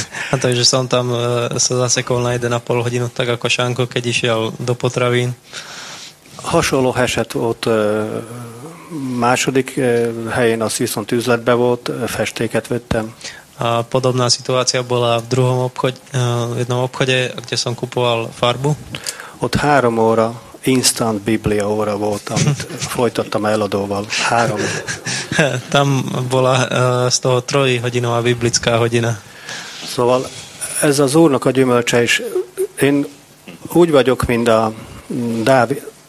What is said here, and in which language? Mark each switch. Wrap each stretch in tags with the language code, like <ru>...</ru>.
<sk>A takže som tam sa zasekol na 1,5 hodinu, tak ako Sánko, keď išiel do potravín.</sk> <hu>Hasonló eset ott második helyén, az viszont üzletbe volt, festéket vettem.</hu> <sk>A podobná situácia bola v druhom obchode, v jednom obchode, kde som kupoval farbu.</sk> <hu>Ott 3 óra instant Biblia óra volt, amit folytattam eladóval. 3.</hu> <sk>Tam bola z toho 3-hodinová biblická hodina.</sk> <hu>Szóval ez az Úrnak a gyümölcse, és én úgy vagyok, mint a Dávid,</hu>